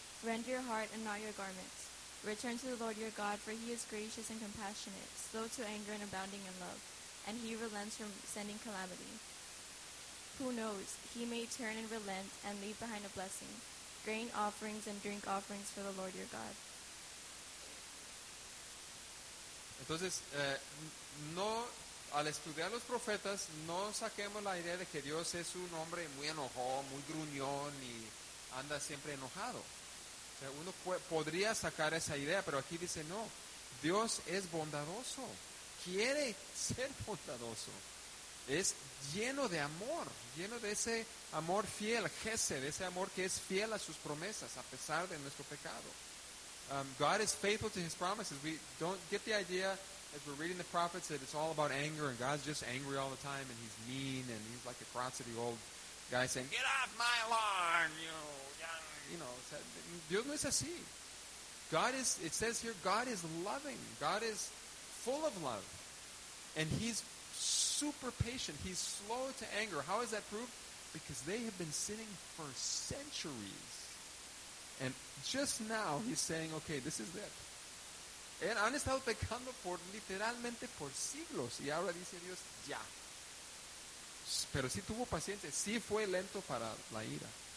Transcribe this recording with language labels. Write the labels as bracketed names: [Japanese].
[English] Rend your heart and not your garments. Return to the Lord your God, for he is gracious and compassionate, slow to anger and abounding in love, and he relents from sending calamity. Who knows? He may turn and relent and leave behind a blessing, grain offerings and drink offerings for the Lord your God. [Spanish] Entonces, no, al estudiar los profetas, no saquemos la idea de que Dios es un hombre muy enojón, muy gruñón y anda siempre enojado. O sea, uno podría sacar esa idea, pero aquí dice no. Dios es bondadoso, quiere ser bondadoso. Es lleno de amor, lleno de ese amor fiel, Jesed, ese amor que es fiel a sus promesas a pesar de nuestro pecado. [English] God is faithful to his promises. We don't get the idea as we're reading the prophets that it's all about anger and God's just angry all the time and he's mean and he's like a crotchety old guy saying, get off my lawn, you know. [Spanish] Dios no es así. [English] It says here, God is loving. God is full of love. And he's super patient. He's slow to anger. How is that proved? Because they have been sinning for centuries. And just now he's saying, okay, this is it. [Spanish] Han estado pecando por literalmente por siglos. Y ahora dice Dios, ya. Pero sí tuvo paciencia. Sí fue lento para la ira.